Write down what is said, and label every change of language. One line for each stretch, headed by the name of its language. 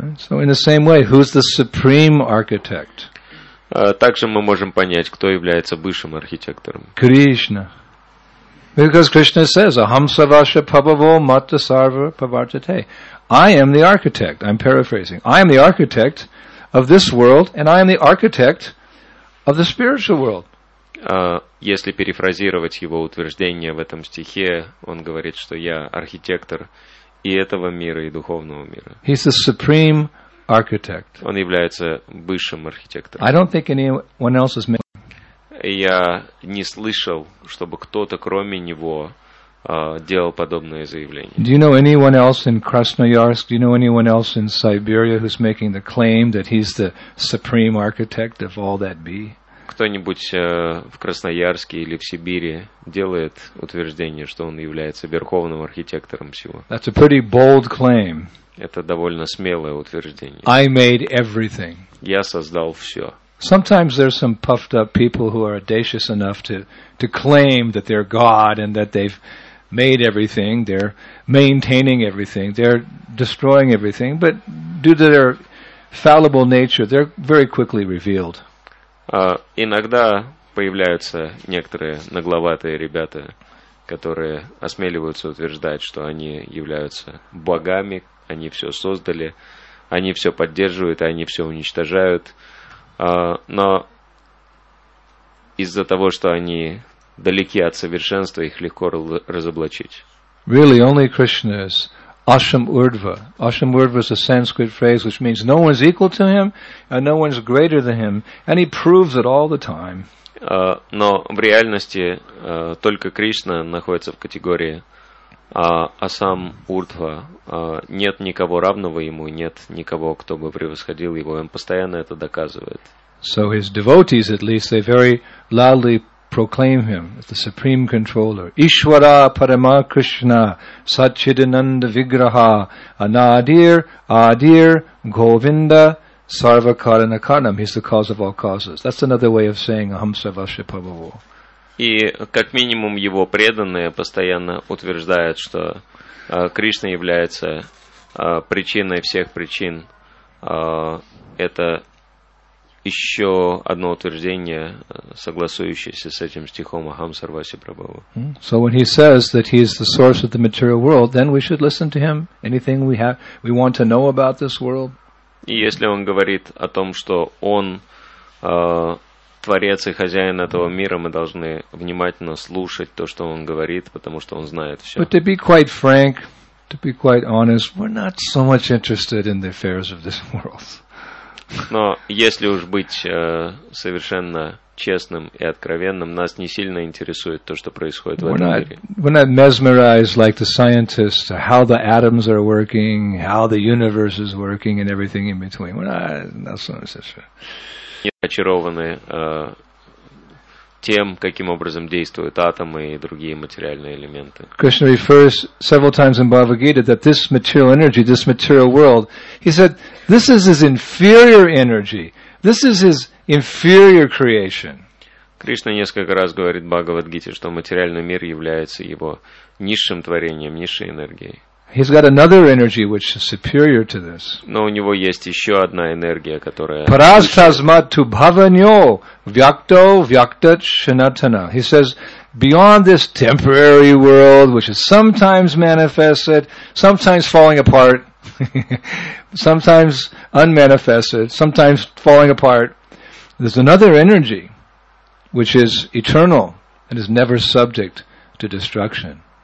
English: So in the same way, who's the supreme architect?
Russian: Также мы можем понять, кто является высшим архитектором.
Sanskrit: Кришна.
English: Because Krishna says,
Sanskrit: Aham Savasya Pabhavo Matta Sarva Pavartate.
English: I am the architect. I'm paraphrasing. I am the architect of this world, and I am the architect of the spiritual world.
Russian: Если перефразировать его утверждение в этом стихе, он говорит, что я архитектор и этого мира, и духовного мира.
English: He's the supreme architect.
Russian: Он является высшим архитектором.
English: I don't think anyone else is making.
Russian: Я не слышал, чтобы кто-то кроме него делал подобное заявление.
English: Do you know anyone else in Krasnoyarsk? Do you know anyone else in Siberia who's making the claim that he's the supreme architect of all that be?
Russian: Кто-нибудь в Красноярске или в Сибири делает утверждение, что он является верховным архитектором всего?
English: That's a pretty bold claim.
Russian: Это довольно смелое утверждение.
English: I made everything.
Russian: Я создал все.
English: Sometimes there's some puffed up people who are audacious enough to claim that they're God and that they've made everything, they're maintaining everything, they're destroying everything, but due to their fallible nature, they're very quickly revealed.
Russian: Иногда появляются некоторые нагловатые ребята, которые осмеливаются утверждать, что они являются богами, они все создали, они все поддерживают, они все уничтожают. Но из-за того, что они далеки от совершенства, их легко разоблачить.
English: Really, only Krishna is Asham Urdhva. Asham Urdhva is a Sanskrit phrase, which means no one's equal to him, and no one's greater than him, and he proves it all the time.
Russian: Но в реальности только Кришна находится в категории Асам Урдхва. Нет никого равного ему, нет никого, кто бы превосходил его. Он постоянно это доказывает.
English: So his devotees, at least, they very loudly proclaim him as the supreme controller.
Sanskrit: Ishvara Parama Krishna Satchidananda Vigraha Anadir Adir Govinda Sarvakarana Karnam.
English: He's the cause of all causes. That's another way of saying
Sanskrit: Aham Sarvasya Pabhavo.
Russian: И как минимум его преданные постоянно утверждают, что Кришна является причиной всех причин. Это еще одно утверждение, согласующееся с этим стихом
Sanskrit: Aham Sarvasya Prabhava.
English: So when he says that he is the source of the material world, then we should listen to him. Anything we want to know about this world.
Russian: И если он говорит о том, что он Творец и хозяин этого мира, мы должны внимательно слушать то, что он говорит, потому что он знает все.
English: But to be quite frank, to be quite honest, we're not so much interested in the affairs of this world.
Russian: Но если уж быть совершенно честным и откровенным, нас не сильно интересует то, что происходит в этом мире.
English: We're not mesmerized like the scientists, how the atoms are working, how the universe is working, and everything in between. We're not so much interested.
Russian: Очарованы тем, каким образом действуют атомы и другие материальные элементы.
English: Krishna refers several times in Bhagavad Gita that this material energy, this material world, he said, this is his inferior energy, this is his inferior creation.
Russian: Кришна несколько раз говорит в Бхагавад Гите, что материальный мир является его низшим творением, низшей энергией.
English: He's got another energy which is superior to this.
Russian: Но у него есть еще одна энергия, которая.
Sanskrit: Parastasmat tu bhavanyo vyakto vyaktat shanatana.
English: He says, beyond this temporary world, which is sometimes manifested, sometimes falling apart, sometimes unmanifested, sometimes falling apart, there's another energy which is eternal and is never subject to destruction.